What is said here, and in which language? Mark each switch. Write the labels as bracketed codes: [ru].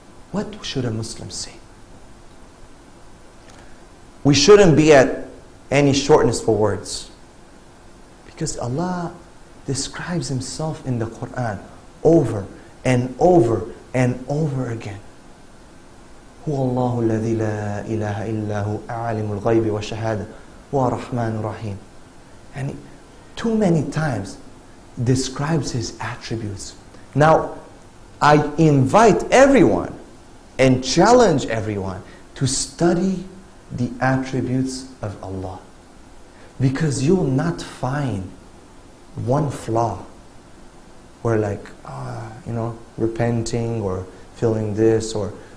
[en] What should a Muslim say? We shouldn't be at any shortness for words. Because Allah describes Himself in the Quran over and over and over again. [ar] هو الله الذي لا إله إلا هو أعلم الغيب والشهادة هو الرحمن الرحيم. [en] And too many times describes His attributes. Now, I invite everyone and challenge everyone to study the attributes of Allah. Because you'll not find one flaw where like, repenting or feeling this or...